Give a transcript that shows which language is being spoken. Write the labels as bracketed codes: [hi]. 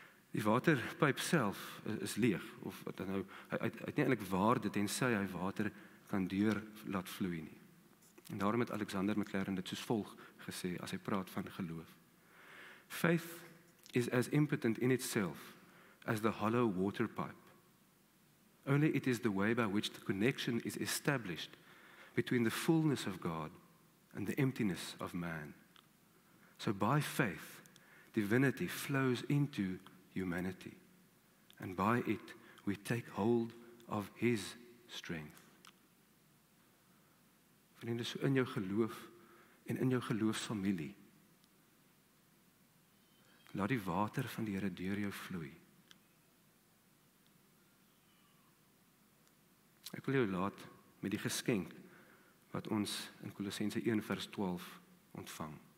[af] Die waterpyp self is leeg, of wat nou, hy het nie eintlik waarde, tensy hy water kan deur laat vloei nie. En daarom het Alexander McLaren dit soos volg gesê, as hy praat van geloof. [en] Faith is as impotent in itself as the hollow waterpipe. Only it is the way by which the connection is established between the fullness of God and the emptiness of man. So by faith, divinity flows into humanity. And by it, we take hold of his strength. [af] Vriende, so in jou geloof en in jou geloofsfamilie, laat die water van die Here deur jou vloei. Ek wil jou laat met die geskenk wat ons in Kolossense 1 vers 12 ontvang.